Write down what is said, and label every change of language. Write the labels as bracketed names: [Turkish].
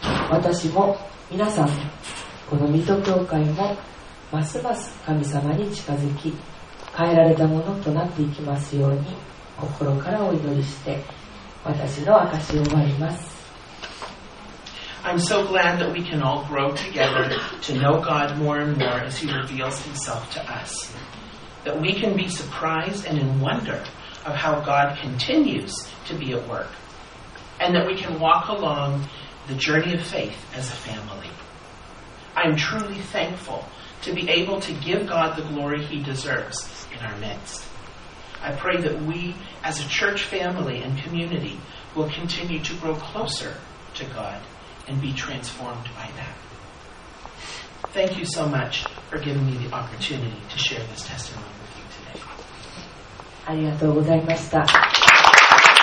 [Japanese] 私も皆さんもこの水戸教会もますます神様に近づき、変えられたものとなっていきますように心からお祈りして、私の証を終わります。 [English] I'm so glad that we can all grow together to know God more and more as He reveals Himself to us. That we can be surprised and in wonder of how God continues to be at work. And that we can walk along the journey of faith as a family. I am truly thankful to be able to give God the glory He deserves in our midst. I pray that we, as a church family and community, will continue to grow closer to God. And be transformed by that. Thank you so much for giving me the opportunity to share this testimony with you today. [Japanese] ありがとうございました。